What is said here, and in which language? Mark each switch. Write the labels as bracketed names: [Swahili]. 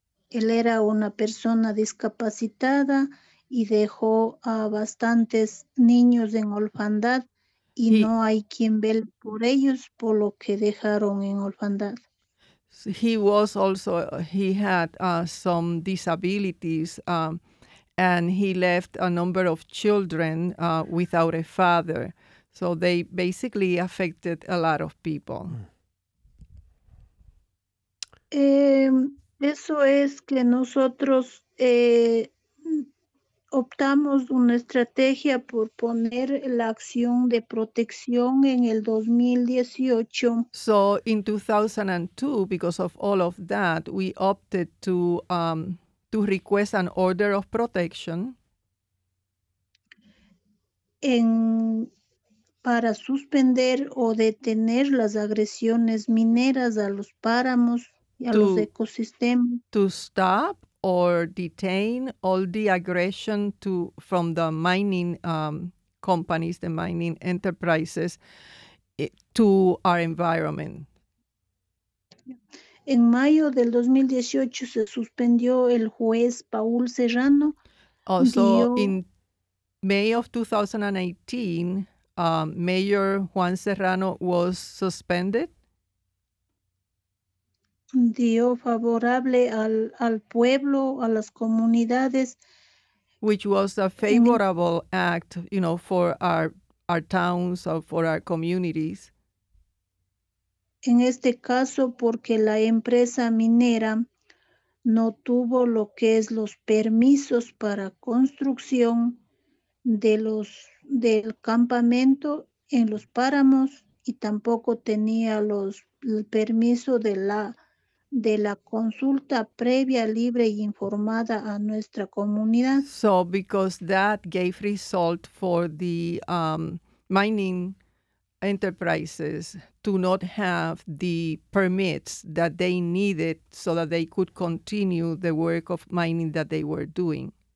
[Spanish] Él era una persona discapacitada y dejó a bastantes niños en orfandad y no hay quien vele por ellos, por lo que dejaron en orfandad. [English] He was also, he had some disabilities and he left a number of children without a father. So they basically affected a lot of people. [Spanish] Eso es que nosotros optamos una estrategia por poner la acción de protección en el 2018. [English] So in 2002, because of all of that, we opted to request an order of protection. [Spanish] Para suspender o detener las agresiones mineras a los páramos y a los ecosistemas. [English] To stop or detain all the aggression from the mining companies, the mining enterprises, to our environment. [Spanish] En mayo del 2018 se suspendió el juez Paul Serrano. [English] Also, in May of 2018, Mayor Juan Serrano was suspended. [Spanish] Dio favorable al pueblo, a las comunidades. [English] Which was a favorable act, you know, for our towns or for our communities. [Spanish] En este caso, porque la empresa minera no tuvo lo que es los permisos para construcción del campamento en los páramos y tampoco tenía el permiso de la consulta previa, libre y informada a nuestra comunidad. [English] So because that gave result for the mining enterprises to not have the permits that they needed so that they could continue the work of mining that they were doing.